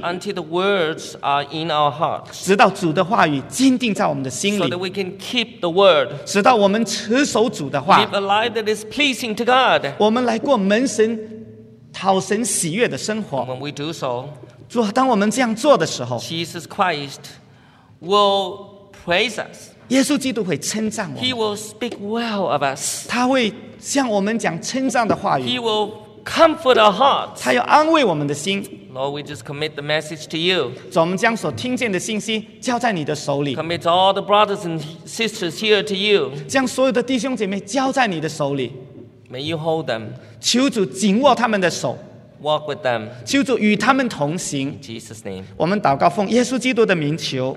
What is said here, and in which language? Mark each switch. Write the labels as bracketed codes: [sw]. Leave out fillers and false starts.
[en] Until the words are in our hearts. [zh] 直到主的话语坚定在我们的心里。 [en] So that we can keep the word. [zh] 直到我们持守主的话。 [en] Live a life that is pleasing to God. [zh] 我们来过门神讨神喜悦的生活。 [en] When we do so, [zh] 主，当我们这样做的时候 [en] ，Jesus Christ will praise us. [zh] 耶稣基督会称赞我们。 [en] He will speak well of us. [zh] 他会向我们讲称赞的话语。 [en] He will comfort our hearts. [zh] 他要安慰我们的心。 [en] Lord, we just commit the message to you. [zh] 主，我们将所听见的信息交在你的手里。 [en] Commit all the brothers and sisters here to you. [zh] 将所有的弟兄姐妹交在你的手里。 [en] May you hold them. [zh] 求主紧握他们的手。 [en] Walk with them. [zh] 求主与他们同行。 [en] In Jesus' name. [zh] 我们祷告奉耶稣基督的名求。